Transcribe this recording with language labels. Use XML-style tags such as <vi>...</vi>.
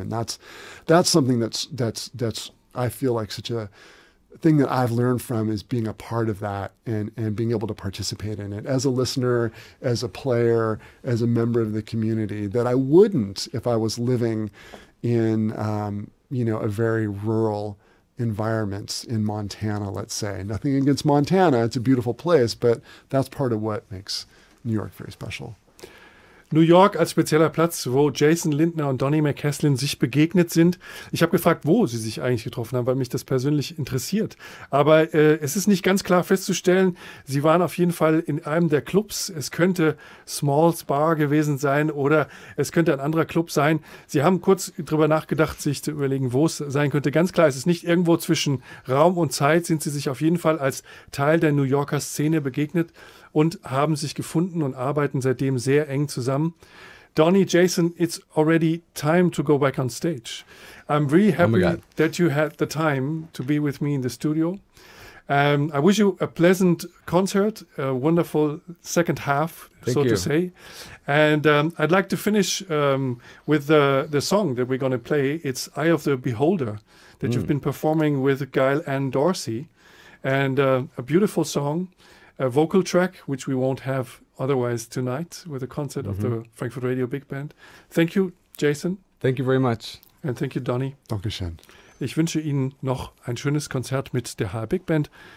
<en>And that's something that's I feel like such a thing that I've learned from is being a part of that and being able to participate in it as a listener, as a player, as a member of the community that I wouldn't if I was living in you know a very rural environment in Montana, let's say. Nothing against Montana, it's a beautiful place, but that's part of what makes New York very special.</en> <de>New York als spezieller Platz, wo Jason Lindner und Donnie McCaslin sich begegnet sind. Ich habe gefragt, wo sie sich eigentlich getroffen haben, weil mich das persönlich interessiert. Aber es ist nicht ganz klar festzustellen, sie waren auf jeden Fall in einem der Clubs. Es könnte Small's Bar gewesen sein oder es könnte ein anderer Club sein. Sie haben kurz darüber nachgedacht, sich zu überlegen, wo es sein könnte. Ganz klar, es ist nicht irgendwo zwischen Raum und Zeit, sind sie sich auf jeden Fall als Teil der New Yorker Szene begegnet. Und haben sich gefunden und arbeiten seitdem sehr eng zusammen.</de> <en>Donnie, Jason, it's already time to go back on stage. I'm really happy that you had the time to be with me in the studio. I wish you a pleasant concert, a wonderful second half, Thank so you. To say. And I'd like to finish with the song that we're going to play. It's Eye of the Beholder that you've been performing with Gail Ann Dorsey. And a beautiful song. A vocal track, which we won't have otherwise tonight with a concert mm-hmm. of the Frankfurt Radio Big Band. Thank you, Jason. Thank you very much. And thank you, Donnie.</en> <de>Dankeschön. Ich wünsche Ihnen noch ein schönes Konzert mit der HR Big Band.</de>